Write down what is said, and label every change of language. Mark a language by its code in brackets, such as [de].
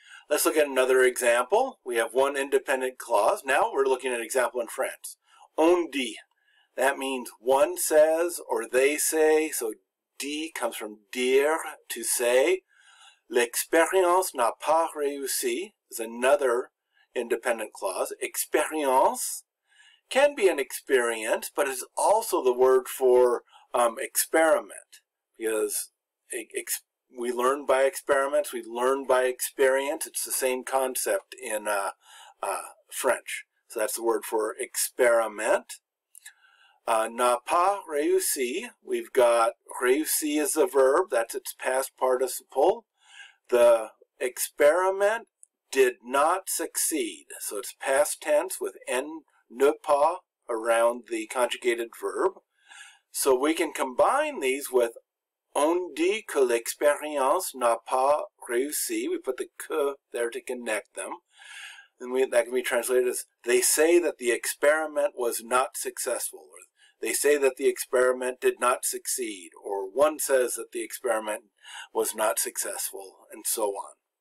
[en] Let's look at another example. We have one independent clause. Now we're looking at an example in France. [fr] On dit. [en] That means one says or they say. So dit comes from dire, to say. [fr] L'expérience n'a pas réussi [en] is another independent clause. Expérience can be an experience, but it's also the word for experiment. Because we learn by experiments, we learn by experience. It's the same concept in French. So that's the word for experiment. [fr] N'a pas réussi. [en] We've got réussi as a verb. That's its past participle. The experiment did not succeed. So it's past tense with ne pas around the conjugated verb. So we can combine these with [fr] on dit que l'expérience n'a pas réussi. [en] We put the que there to connect them. And that can be translated as, they say that the experiment was not successful. Or they say that the experiment did not succeed. Or one says that the experiment was not successful. And so on.